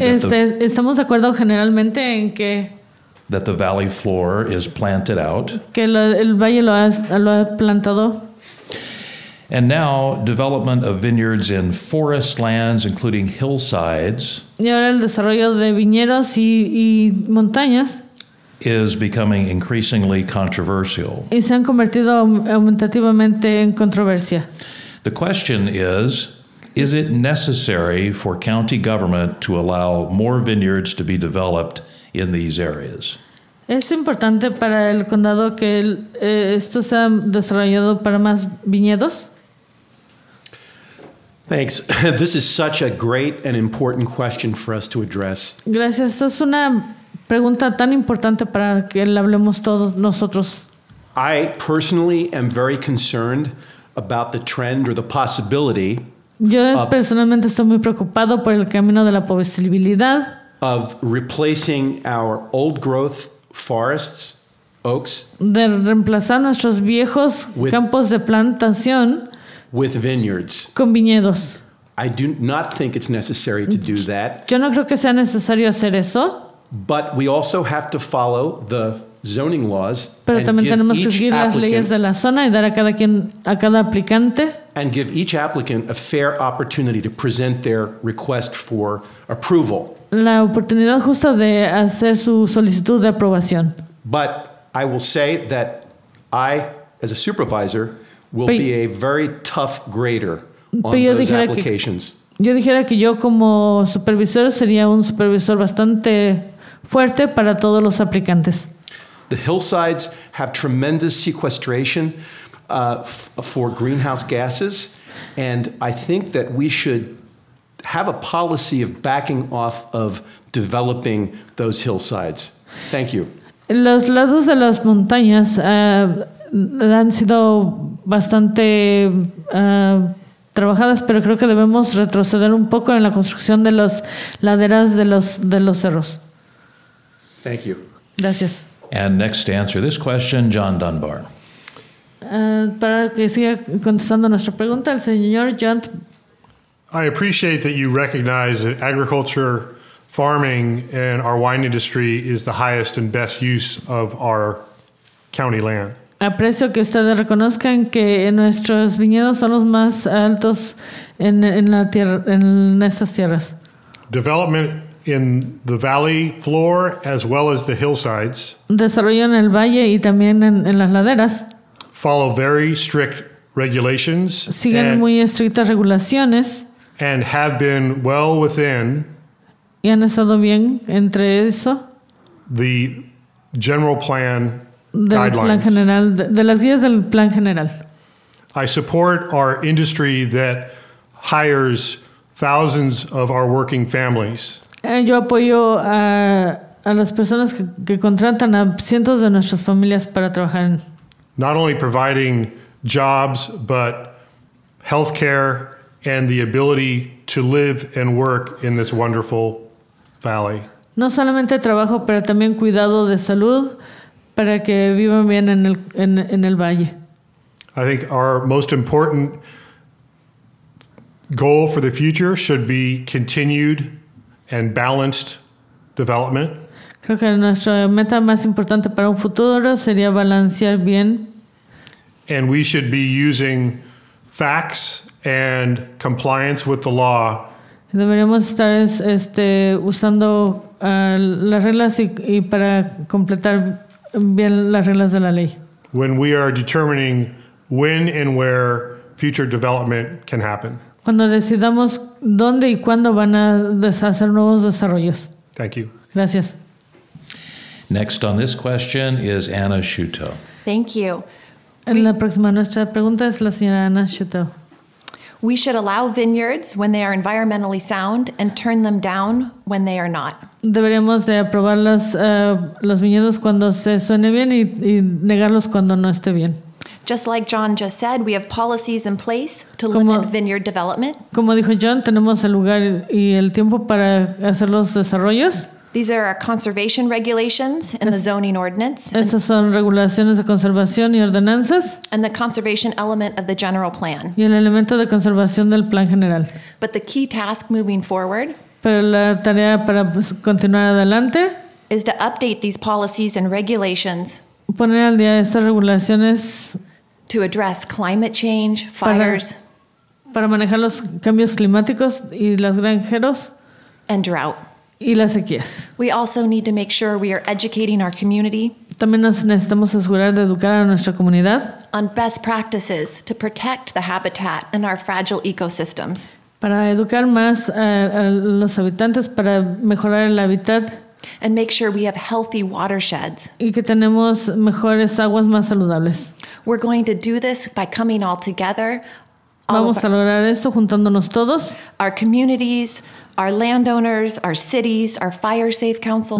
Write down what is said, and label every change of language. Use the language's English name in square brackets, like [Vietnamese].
[Spanish] estamos de acuerdo generalmente en que [English] that the valley floor is planted out. [Spanish] Que el valle lo ha plantado. [English] And now development of vineyards in forest lands, including hillsides, [Spanish] y ahora el desarrollo de viñedos y montañas, [English] is becoming increasingly controversial. [Spanish] Y se han convertido aumentativamente en controversia. [English] The question is it necessary for county government to allow more vineyards to be developed in these areas? [Spanish] ¿Es importante para el condado que esto sea desarrollado para más viñedos? [English] Thanks. This is such a great and important question for us to address. [Spanish] Gracias. Esto es una pregunta tan importante para que la hablemos todos nosotros. [English] I personally am very concerned about the trend or the possibility. [Spanish] Yo personalmente estoy muy preocupado por el camino de la posibilidad [English] of replacing our old growth forests, oaks, [Spanish] de reemplazar nuestros viejos campos de plantación [English] with vineyards. [Spanish] Con viñedos. [English] I do not think it's necessary to do that. [Spanish] Yo no creo que sea necesario hacer eso. [English] But we also have to follow the zoning laws. [Spanish] Pero también tenemos que seguir las leyes de la zona y dar a cada quien, a cada aplicante. [English] And give each applicant a fair opportunity to present their request for approval. [Spanish] La oportunidad justa de hacer su solicitud de aprobación. [English] But I will say that I, as a supervisor, will be a very tough grader on those applications. [Spanish] Yo dijera que yo como supervisor sería un supervisor bastante fuerte para todos los aplicantes. [English] The hillsides have tremendous sequestration for greenhouse gases, and I think that we should have a policy of backing off of developing those hillsides. Thank you. [Spanish] Los lados de las montañas han sido bastante trabajadas, pero creo que debemos retroceder un poco en la construcción de las laderas de los cerros. [English] Thank you. [Spanish] Gracias. [English] And next to answer this question, John Dunbar. [Spanish] Para que siga contestando nuestra pregunta, el señor John. [English] I appreciate that you recognize that agriculture, farming, and our wine industry is the highest and best use of our county land. [Spanish] Aprecio que ustedes reconozcan que nuestros viñedos son los más altos en estas tierras. [English] Development in the valley floor as well as the hillsides. [Spanish] Desarrollo en el valle y también en las laderas. [English] Follow very strict regulations. [Spanish] Siguen and, muy estrictas regulaciones. [English] And have been well within. [Spanish] Y han estado bien entre eso. [English] The general plan [Spanish] del [English] guidelines. [Spanish] Plan general, de las guías del plan general. [English] I support our industry that hires thousands of our working families. [Spanish] Yo apoyo a las personas que contratan a cientos de nuestras familias para trabajar. [English] Not only providing jobs, but healthcare and the ability to live and work in this wonderful valley. [Spanish] No solamente trabajo, pero también cuidado de salud para que vivan bien en el, en, en el valle. [English] I think our most important goal for the future should be continued and balanced development. [Spanish] Creo que nuestra meta más importante para un futuro sería balancear bien. [English] And we should be using facts and compliance with the law. [Spanish] Deberíamos estar usando las reglas y para completar bien las reglas de la ley. [English] When we are determining when and where future development can happen. [Spanish] Cuando decidamos dónde y cuándo van a hacer nuevos desarrollos. [English] Thank you. [Spanish] Gracias. [English] Next on this question is Anna Shuto. Thank you. [Spanish] En la próxima nuestra pregunta es la señora Anna Shuto. [English] We should allow vineyards when they are environmentally sound and turn them down when they are not. [Spanish] Deberíamos de aprobar los viñedos cuando se suene bien y negarlos cuando no esté bien. [English] Just like John just said, we have policies in place to limit vineyard development. [Spanish] Como dijo John, tenemos el lugar y el tiempo para hacer los desarrollos. [English] These are our conservation regulations and the zoning ordinance. [Spanish] Estas son regulaciones de conservación y ordenanzas. [English] And the conservation element of the general plan. [Spanish] Y el elemento de conservación del plan general. [English] But the key task moving forward. [Spanish] Pero la tarea para continuar adelante. [English] Is to update these policies and regulations. [Spanish] Poner al día estas regulaciones. [English] To address climate change, fires. [Spanish] Para manejar los cambios climáticos y las granjeros. [English] And drought. [Spanish] Y las sequías. [English] We also need to make sure we are educating our community. [Spanish] También nos necesitamos asegurar de educar a nuestra comunidad. [English] On best practices to protect the habitat and our fragile ecosystems. [Spanish] Para educar más a los habitantes para mejorar el hábitat. [English] And make sure we have healthy watersheds. [Spanish] Y que tenemos mejores aguas más saludables. [English] We're going to do this by coming all together. [Spanish] Vamos a lograr esto juntándonos todos. [English] Our communities, our landowners, our cities, our fire safe councils.